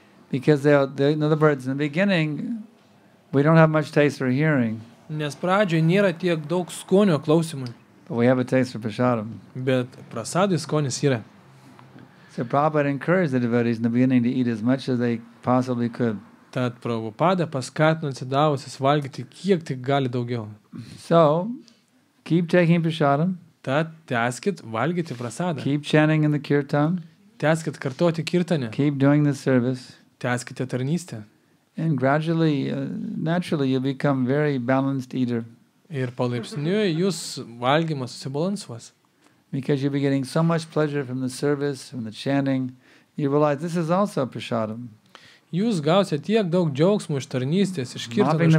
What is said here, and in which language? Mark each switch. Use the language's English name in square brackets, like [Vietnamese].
[English] Because in other words, in the beginning, we don't have much taste for hearing. [Lithuanian] Nes pradžioje nėra tiek daug skonio klausimui. [English] But we have a taste for prasadam. [Lithuanian] Bet prasadui skonis yra. [English] So Prabhupada encouraged the devotees in the beginning to eat as much as they possibly could. [Lithuanian] Tad Prabhupada paskatino atsidavusius valgyti kiek tik gali daugiau. [English] So, keep taking prasadam. [Lithuanian] Tad tęskit valgyti prasadą. [English] Keep chanting in the kirtan. [Lithuanian] Tęskit kartuoti kirtanę. [English] Keep doing the service. [Lithuanian] Tęskite tarnystę. [English] And gradually, naturally, you become very balanced eater. [Lithuanian] Ir palaipsniui jūs valgymas susibalansuos. [English] Because you'll be getting so much pleasure from the service, from the chanting, you realize this is also prasadam. [Lithuanian] Jūs gausite tiek daug džiaugsmų iš tarnystės, iš kirtano, iš